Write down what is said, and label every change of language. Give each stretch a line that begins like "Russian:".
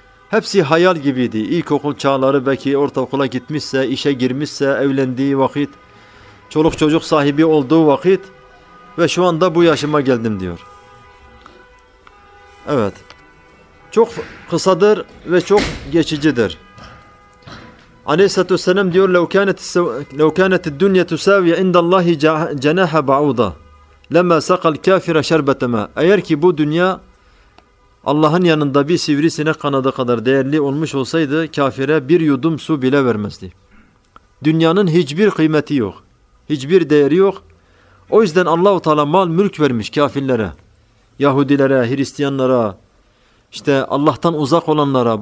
Turkish: Hepsi hayal gibiydi. İlkokul çağları, belki ortaokula gitmişse, işe girmişse, evlendiği vakit, çoluk çocuk sahibi olduğu vakit ve şu anda bu yaşıma geldim diyor. Evet. Çok kısadır ve çok geçicidir. Aleyhisselatü vesselam diyor,
Arabic: لو كانت الدنيا تساوي عند الله جناح بعوضة لما سقى الكافر شربة ماء.
Turkish: Eğer ki bu dünya Allah'ın yanında bir sivrisinek kanadı kadar değerli olmuş olsaydı, kafire bir yudum su bile vermezdi. Dünyanın hiçbir kıymeti yok, hiçbir değeri yok. O yüzden Allah-u Teala mal mülk vermiş kafirlere, Yahudilere, Hristiyanlara, işte Allah'tan uzak olanlara.